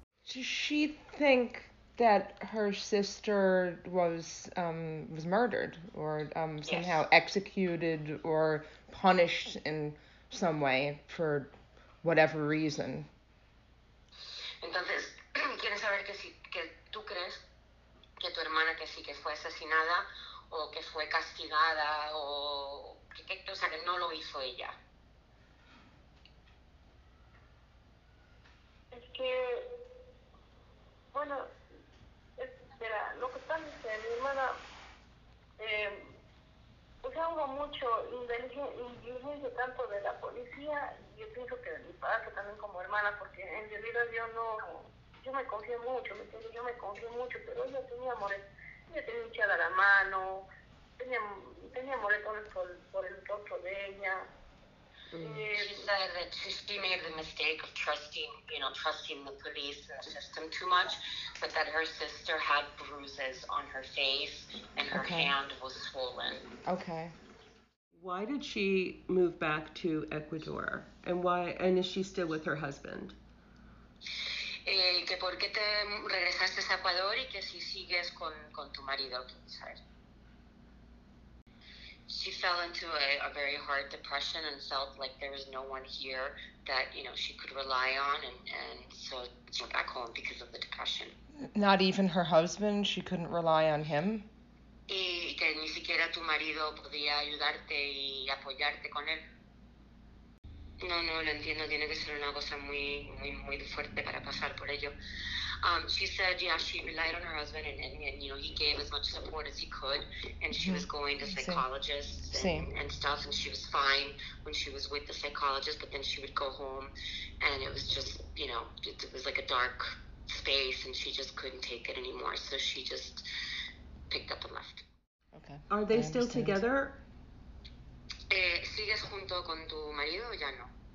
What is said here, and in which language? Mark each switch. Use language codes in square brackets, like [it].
[en] Does she think that her sister was murdered or somehow executed or punished in some way for whatever reason? [es] Entonces, ¿quieres saber que si que tú crees que tu hermana que sí que fue asesinada o que fue castigada o que o sea que no lo hizo ella? Es que bueno, mira, lo que pasa es que mi hermana hubo mucho inteligencia tanto de la policía, y yo pienso que de mi padre también como hermana, porque en realidad yo no, yo me confié mucho, me entiendo, yo me confié mucho, pero ella tenía moretones, ella tenía hinchada la mano, tenía moretones por el rostro de ella. [en] She said that she made the mistake of trusting the police and the system too much, but that her sister had bruises on her face and her hand was swollen. Okay. Why did she move back to Ecuador? And why? And is she still with her husband? [es] Que por qué te regresaste a Ecuador y que si sigues con tu marido, quizás. [en] She fell into a very hard depression and felt like there was no one here that, you know, she could rely on, and so she went back home because of the depression. Not even her husband? She couldn't rely on him? [es] Y que ni siquiera tu marido podía ayudarte y apoyarte con él. No, lo entiendo. Tiene que ser una cosa muy, muy, muy fuerte para pasar por ello. [en] She said, yeah, she relied on her husband, and you know, he gave as much support as he could, and she was going to psychologists and stuff, and she was fine when she was with the psychologist, but then she would go home, and it was just, you know, it was like a dark space, and she just couldn't take it anymore, so she just picked up and left. Okay. Are they still together? [es] ¿Sigues junto con tu marido o ya no?